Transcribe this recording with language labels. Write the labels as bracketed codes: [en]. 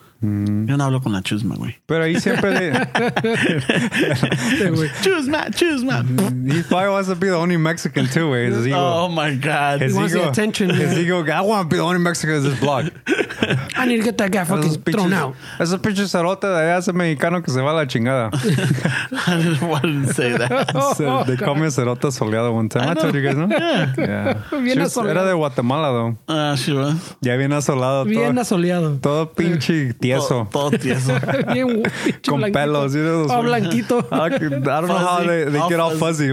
[es] Yo no hablo con la chusma, güey. Pero ahí siempre le... Chusma, chusma. [en] He probably wants to be the only Mexican too, güey. Oh my God. He wants the attention. His ego, I want to be the only Mexican in this block. I need to get that guy fucking thrown out. [es] Esa pinche cerota de allá es mexicano que se va a la chingada. [en] I didn't want to say that. They call me a [es] cerota soleado [en] one time. I told you guys, no? Yeah. [es] Yeah. Era de Guatemala, though. [en] Ah, she was. [es] Ya bien asolado. Bien asoleado. Todo pinche tieso. Todo tieso. Bien, con pelos. [en] Oh, you know, [es] blanquito. [en] I don't know how they get all fuzzy.